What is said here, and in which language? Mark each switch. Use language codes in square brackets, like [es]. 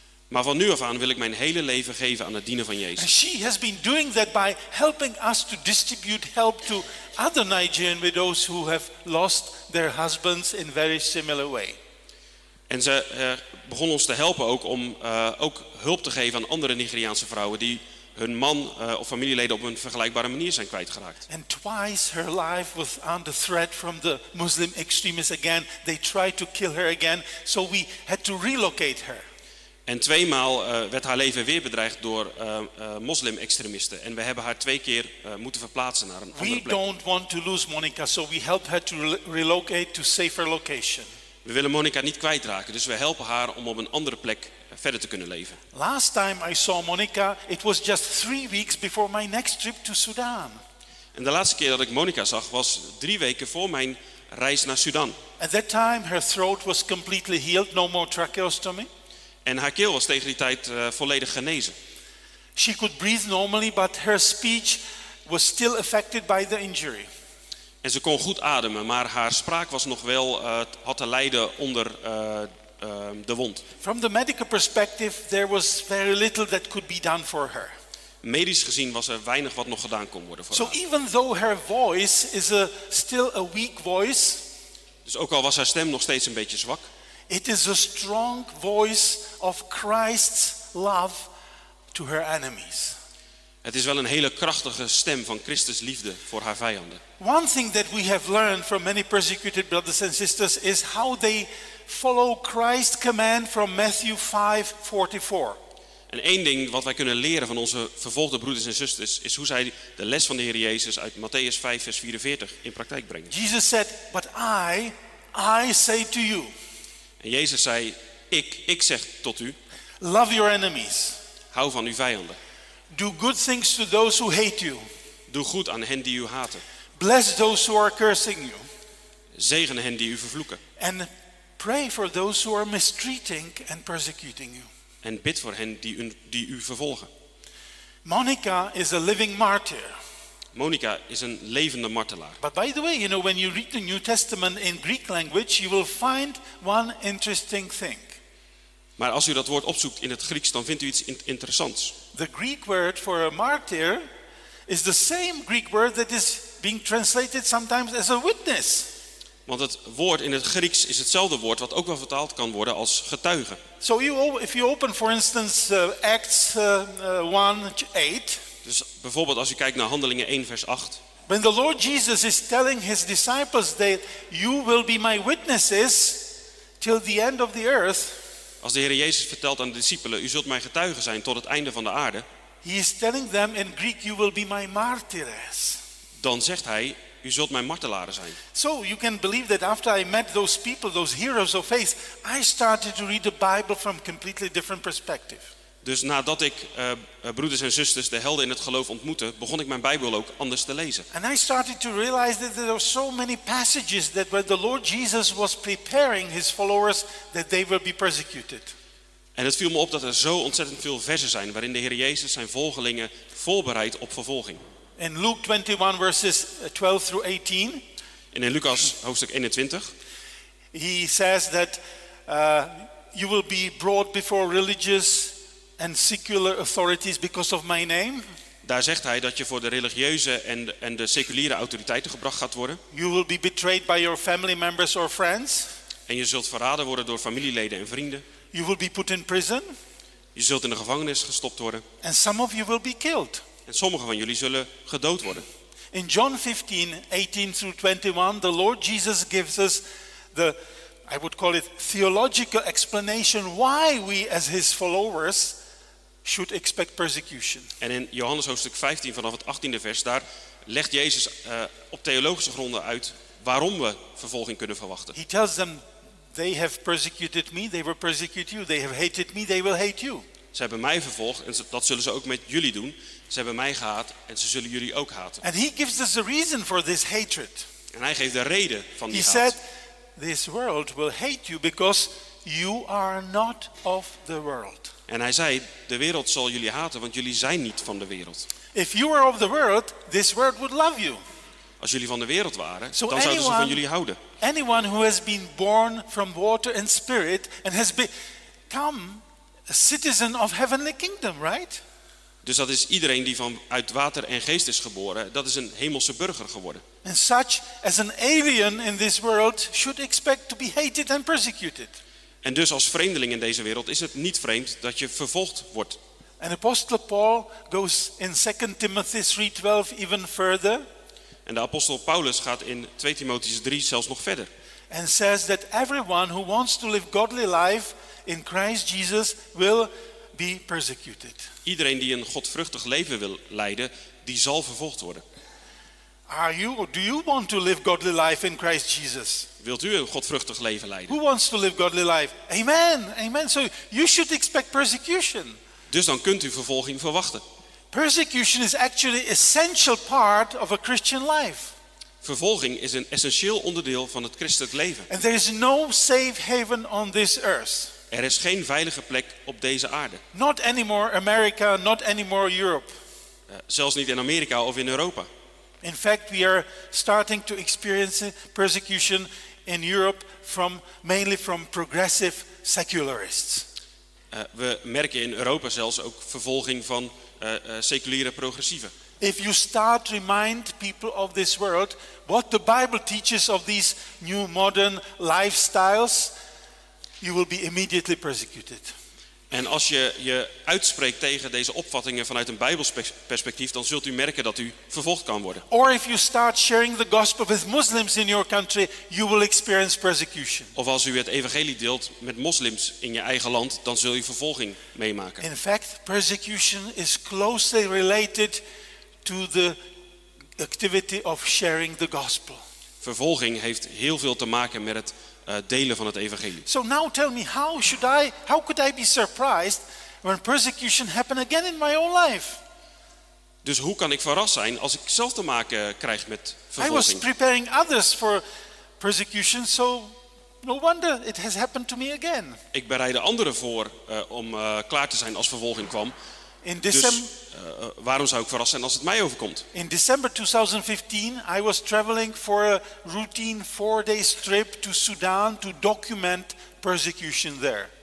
[nl] Maar van nu af aan wil ik mijn hele leven geven aan het dienen van Jezus. [en] She has been doing that by helping us to distribute help to other Nigerian widows who have lost their husbands in very similar way. [nl] En ze begon ons te helpen ook om ook hulp te geven aan andere Nigeriaanse vrouwen die hun man of familieleden op een vergelijkbare manier zijn kwijtgeraakt. [en] And twice her life was under threat from the Muslim extremists again. They tried to kill her again, so we had to relocate her. [nl] En tweemaal werd haar leven weer bedreigd door moslim-extremisten. En we hebben haar twee keer moeten verplaatsen naar een andere plek. [en] We don't want to lose Monica, so we help her to relocate to a safer location. [nl] We willen Monica niet kwijtraken, dus we helpen haar om op een andere plek verder te kunnen leven. [en] Last time I saw Monica, it was just 3 weeks before my next trip to Sudan. [nl] En de laatste keer dat ik Monica zag, was 3 weken voor mijn reis naar Sudan. [en] At that time her throat was completely healed, no more tracheostomy. [nl] En haar keel was tegen die tijd volledig genezen. [en] She could breathe normally, but her speech was still affected by the injury. [nl] En ze kon goed ademen, maar haar spraak was nog wel had te lijden onder de wond. [en] From the medical perspective, there was very little that could be done for her. [nl] Medisch gezien was er weinig wat nog gedaan kon worden voor haar. [en] So even though her voice is still a weak voice, [nl] dus ook al was haar stem nog steeds een beetje zwak, [en] it is a strong voice of Christ's love to her enemies. [nl] Het is wel een hele krachtige stem van Christus' liefde voor haar vijanden. [en] One thing that we have learned from many persecuted brothers and sisters is how they follow Christ's command from Matthew 5:44. [nl] En één ding wat wij kunnen leren van onze vervolgde broeders en zusters is hoe zij de les van de Heer Jezus uit Matthäus 5 vers 44 in praktijk brengen. [en] Jesus said, "But I say to you." [nl] En Jezus zei: "Ik zeg tot u. [en] Love your enemies. [nl] Hou van uw vijanden. [en] Do good things to those who hate you. [nl] Doe goed aan hen die u haten. [en] Bless those who are cursing you. [nl] Zegen hen die u vervloeken. [en] And pray for those who are mistreating and persecuting you. [nl] En bid voor hen die u vervolgen. [en] Monica is a living martyr. [nl] Monica is een levende martelaar. [en] But by the way, you know, when you read the New Testament in Greek language, you will find one interesting thing. [nl] Maar als u dat woord opzoekt in het Grieks, dan vindt u iets interessants. [en] The Greek word for a martyr is the same Greek word that is being translated sometimes as a witness. [nl] Want het woord in het Grieks is hetzelfde woord wat ook wel vertaald kan worden als getuige. [en] So if you open for instance Acts 1:8. [nl] Dus bijvoorbeeld als u kijkt naar Handelingen 1 vers 8. [en] When the Lord Jesus is telling his disciples that you will be my witnesses till the end of the earth. [nl] Als de Heer Jezus vertelt aan de discipelen: u zult mijn getuigen zijn tot het einde van de aarde. [en] He is telling them in Greek: you will be my martyrs. [nl] Dan zegt hij: u zult mijn martelaren zijn. [en] So you can believe that after I met those people, those heroes of faith, I started to read the Bible from a completely different perspective. [nl] Dus nadat ik broeders en zusters, de helden in het geloof ontmoette, begon ik mijn Bijbel ook anders te lezen. [en] And I started to realize that there are so many passages that where the Lord Jesus was preparing his followers that they will be persecuted. [nl] En het viel me op dat er zo ontzettend veel versen zijn waarin de Heer Jezus zijn volgelingen voorbereidt op vervolging. [en] In Luke 21 verses 12 through 18. [nl] En in Lucas hoofdstuk 21. [en] He says that you will be brought before religious and secular authorities because of my name. [nl] Daar zegt hij dat je voor de religieuze en de seculiere autoriteiten gebracht gaat worden. [en] You will be betrayed by your family members or friends. [nl] En je zult verraden worden door familieleden en vrienden. [en] You will be put in prison. [nl] Je zult in de gevangenis gestopt worden. [en] And some of you will be killed. [nl] En sommige van jullie zullen gedood worden. [en] In John 15, 18 through 21, the Lord Jesus gives us the, I would call it, theological explanation why we as his followers should expect persecution. [nl] En in Johannes hoofdstuk 15 vanaf het 18e vers, daar legt Jezus op theologische gronden uit waarom we vervolging kunnen verwachten. [en] He tells them, they have persecuted me, they will persecute you. They have hated me, they will hate you. [nl] Ze hebben mij vervolgd en dat zullen ze ook met jullie doen. Ze hebben mij gehaat en ze zullen jullie ook haten. [en] And he gives us a reason for this hatred. [nl] En hij geeft de reden van die haat. [en] He said, this world will hate you because you are not of the world. [nl] En hij zei, de wereld zal jullie haten, want jullie zijn niet van de wereld. [en] If you were of the world, this world would love you. [nl] Als jullie van de wereld waren, so dan zouden ze van jullie houden. [en] Anyone who has been born from water and spirit and has become a citizen of heavenly kingdom, right? [nl] Dus dat is iedereen die vanuit water en geest is geboren, dat is een hemelse burger geworden. [en] And such as an alien in this world should expect to be hated and persecuted. [nl] En dus als vreemdeling in deze wereld is het niet vreemd dat je vervolgd wordt. [en] And apostle Paul goes in 2 Timothy 3:12 even further. [nl] En de apostel Paulus gaat in 2 Timotheus 3 zelfs nog verder. [en] And says that everyone who wants to live godly life in Christ Jesus will be persecuted. [nl] Iedereen die een godvruchtig leven wil leiden, die zal vervolgd worden. [en] Are you or do you want to live godly life in Christ Jesus? [nl] Wilt u een godvruchtig leven leiden? [en] Who wants to live godly life? Amen. Amen. So you should expect persecution. [nl] Dus dan kunt u vervolging verwachten. [en] Persecution is actually an essential part of a Christian life. [nl] Vervolging is een essentieel onderdeel van het christelijk leven. [en] And there is no safe haven on this earth. [nl] Er is geen veilige plek op deze aarde. [en] Not anymore America, not anymore Europe. [nl] Zelfs niet in Amerika of in Europa. [en] In fact, we are starting to experience persecution in Europe from mainly from progressive secularists. [nl] We merken in Europa zelfs ook vervolging van seculiere progressieven. [en] If you start to remind people of this world what the Bible teaches of these new modern lifestyles, you will be immediately persecuted. [nl] En als je je uitspreekt tegen deze opvattingen vanuit een Bijbelperspectief, dan zult u merken dat u vervolgd kan worden. [en] Or if you start sharing the gospel with Muslims in your country, you will experience persecution. [nl] Of als u het evangelie deelt met moslims in je eigen land, dan zul je vervolging meemaken. [en] In fact, persecution is closely related to the activity of sharing the gospel. [nl] Vervolging heeft heel veel te maken met het delen van het evangelie. [en] So now tell me, how could I be surprised when persecution happened again in my own life? [nl] Dus hoe kan ik verrast zijn als ik zelf te maken krijg met vervolging? [en] I was preparing others for persecution, so no wonder it has happened to me again. [nl] Ik bereidde anderen voor om klaar te zijn als vervolging kwam. [en] In December, [nl] dus, waarom zou ik verrast zijn als het mij overkomt? [en] In December 2015, I was traveling for a routine 4-day trip to Sudan to document persecution there.